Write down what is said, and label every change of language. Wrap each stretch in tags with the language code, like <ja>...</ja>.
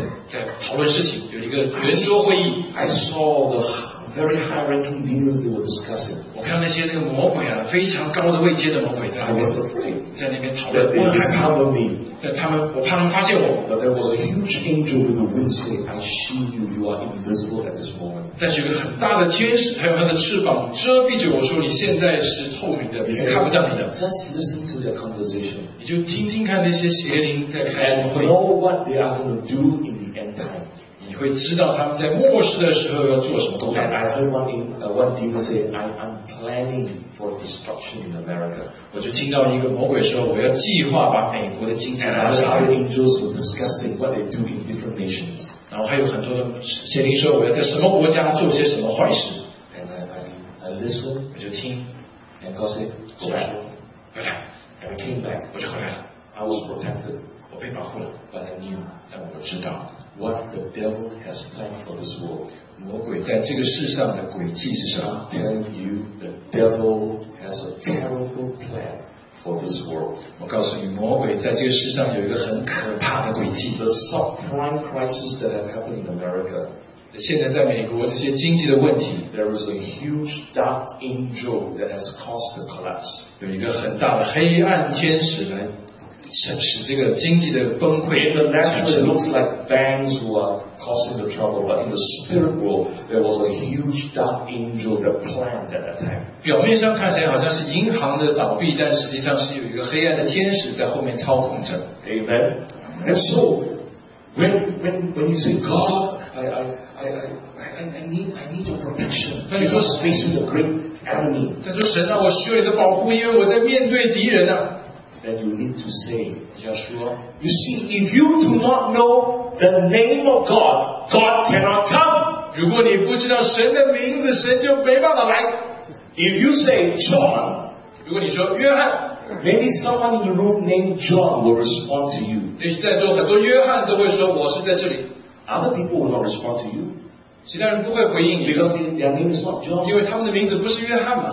<zh>第二层天的那些灵体呢，他们在那边在讨论事情，有一个圆桌会议。</zh> <en>I saw the very high ranking demons they were discussing.</en> <zh>我看到那些那个魔鬼啊，非常高的位阶的魔鬼在那边。</zh> <en>I was afraid.</en> <zh>在那边讨论，我很害怕。我怕他们发现我。</zh> <en>But there was a huge angel with a wing saying, I see you, you are invisible at this moment.</en> <zh>但是有个很大的天使，还有他的翅膀遮蔽着我说，你现在是透明的，</zh> <en>said,</en> <zh>是看不到你的。</zh> <en>Just listen to their conversation.</en> <zh>你就听听看那些邪灵在开什么会。</zh> <en>And know what they are going to do in the end time.</en> <zh>你会知道他们在末世的时候要做什么东西。</zh> <en>I'm planning for destruction in America.</en> <zh>我就听到一个魔鬼说，我要计划把美国的经济拿下。</zh> <en>Other angels were discussing what they do in different nations.</en> <zh>然后还有很多的邪灵说，我要在什么国家做些什么坏事。</zh> <en>And I listen.</en> <zh>我就听。</zh> <en>And God said,</en> <zh>回来。</zh> <en>And I came back.</en> <zh>我就回来了。</zh> <en>I was protected.</en> <zh>我被保护了。</zh> <en>But I knew.</en> <zh>但我知道。</zh> <en>What the devil has planned for this world.</en> <zh>魔鬼在这个世上的诡计是什么?</zh> <en>I'm telling you, the devil has a terrible plan for this world.</en> <zh>我告诉你, 魔鬼在这个世上有一个很可怕的诡计。</zh> <en>The subprime crisis that has happened in America.</en> <zh>现在在美国这些经济的问题，</zh> <en>There is a huge dark angel that has caused the collapse.</en> <zh>有一个很大的黑暗天使来使这个经济的崩溃。</zh> <en>In the natural, it looks like banks were causing the trouble, but in the spirit world, there was a huge dark angel that planned that attack.</en> <zh>表面上看起来好像是银行的倒闭，但实际上是有一个黑暗的天使在后面操控着。</zh> <en>Amen. And so, when you say God, I need your protection.</en> <zh>但你说</zh> <en>facing the great enemy.</en> <zh>但说神啊，我需要你的保护，因为我在面对敌人呢、啊。</zh> <en>That you need to say,</en> <zh>要说</zh> <en>You see, if you do not know the name of God, God cannot come.</en> <zh>如果你不知道神的名字，神就没办法来。</zh> <en>If you say John,</en> <zh>如果你说约翰</zh> <en>maybe someone in the room named John will respond to you.</en> <zh>在座很多约翰都会说我是在这里。</zh> <en>Other people will not respond to you.</en> <zh>其他人不会回应你，</zh> <en>because their name is not John.</en> <zh>因为他们的名字不是约翰嘛。</zh>